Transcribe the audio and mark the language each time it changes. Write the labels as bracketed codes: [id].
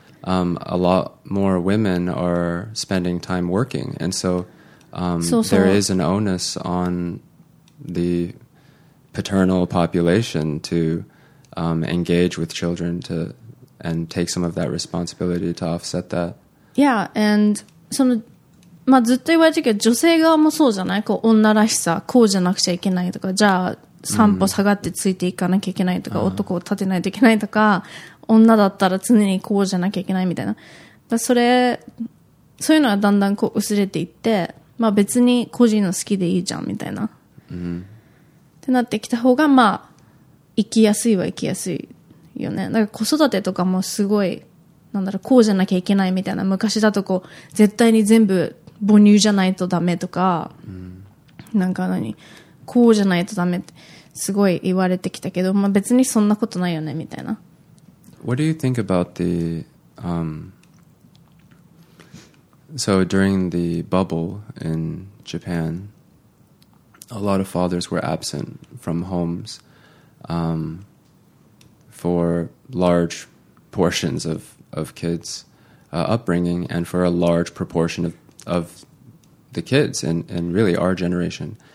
[en] A lot more women are spending time working, and so there is an onus on the paternal population to engage with children and take some of that responsibility to offset that. Yeah, and some. [ja] まあ、ずっと言われてるけど、女性側もそうじゃない？こう、女らしさ、こうじゃなくちゃいけないとか、じゃあ、三歩下がってついていかなきゃいけないとか、男を立てないといけないとか、女だったら常にこうじゃなきゃいけないみたいな。だからそういうのがだんだんこう薄れていって、まあ別に個人の好きでいいじゃんみたいな。ってなってきた方が、まあ、生きやすいは生きやすいよね。だから子育てとかもすごい、なんだろう、こうじゃなきゃいけないみたいな。昔だとこう、絶対に全部、母乳じゃないとダメとか、なんか何こうじゃないとダメってすごい言われてきたけど、まあ、別にそんなことないよねみたいな。 [en] What do you think about the so during the bubble in Japan, a lot of fathers were absent from homes for large portions of kids' upbringing and for a large proportion of the kids and really our generation.